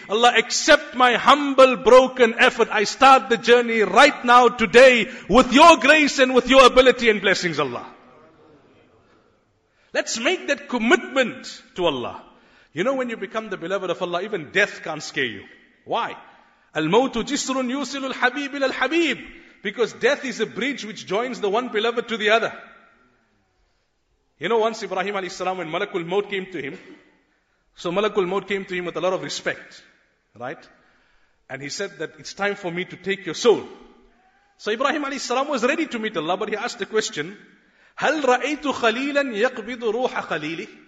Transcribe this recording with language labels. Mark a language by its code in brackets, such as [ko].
[en] Allah, accept my humble, broken effort. I start the journey right now, today, with your grace and with your ability and blessings, Allah. Let's make that commitment to Allah. You know, when you become the beloved of Allah, even death can't scare you. Why? [ar] الموت جسر يوصل الحبيب إلى الحبيب. [en] Because death is a bridge which joins the one beloved to the other. You know, once Ibrahim alayhi salam, when Malakul Maut came to him, so Malakul Maut came to him with a lot of respect, right? And he said that it's time for me to take your soul. So Ibrahim alayhi salam was ready to meet Allah, but he asked the question, [ar] هل رأيت خليلا يقبض روح خليلي.